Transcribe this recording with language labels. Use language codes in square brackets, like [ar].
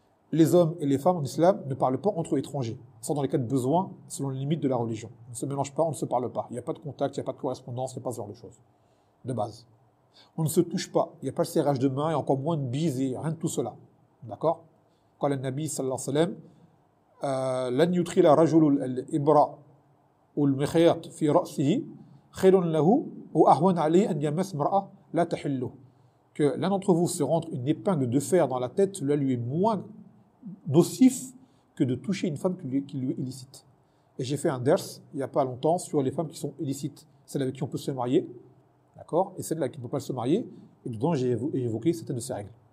[fr] Les hommes et les femmes en islam ne parlent pas entre étrangers, sont dans les cas de besoin, selon les limites de la religion. On ne se mélange pas, on ne se parle pas. Il n'y a pas de contact, il n'y a pas de correspondance, il n'y a pas ce genre de choses, de base. On ne se touche pas, il n'y a pas le serrage de main et encore moins de bise, rien de tout cela. D'accord ? Quand le Nabi sallallahu alayhi wa sallam, [ar] لن يدخل رجل الإبرة والمخيط في رأسه خير له وأهون عليه أن يمس امرأة لا تحله. [fr] Que l'un d'entre vous se rentre une épingle de fer dans la tête, cela lui est moins nocif que de toucher une femme qui lui est illicite. Et j'ai fait un ders il n'y a pas longtemps sur les femmes qui sont illicites, celles avec qui on peut se marier. D'accord ? Et celle-là qui ne peut pas se marier, et dedans j'ai évoqué certaines de ces règles.